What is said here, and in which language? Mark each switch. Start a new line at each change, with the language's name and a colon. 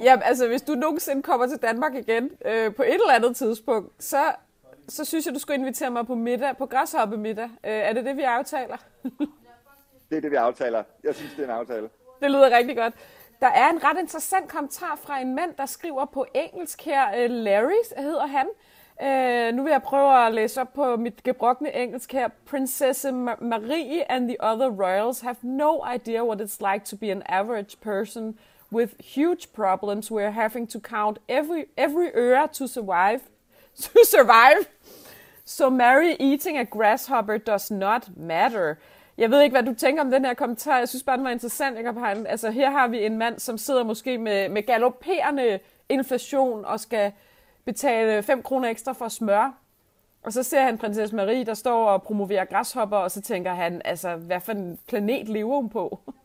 Danish: Jamen, altså, hvis du nogensinde kommer til Danmark igen på et eller andet tidspunkt, så synes jeg, du skulle invitere mig på middag, på græshoppemiddag. Er det det, vi aftaler? Det er det, vi aftaler. Jeg synes, det er en aftale. Det lyder rigtig godt. Der er en ret interessant kommentar fra en mand, der skriver på engelsk her. Larry hedder han. Nu vil jeg prøve at læse op på mit gebrokne engelsk her.
English: Princesse Marie and the other royals have no idea what it's like to be an average person with huge problems. We're having to count every ear to survive. So Mary eating a grasshopper does not matter.
Danish: Jeg ved ikke, hvad du tænker om den her kommentar. Jeg synes bare, den var interessant, Jacob Heine. Altså, her har vi en mand, som sidder måske med galopperende inflation og skal betale 5 kroner ekstra for smør. Og så ser han prinsesse Marie, der står og promoverer græshopper, og så tænker han, altså, hvad for en planet lever hun på?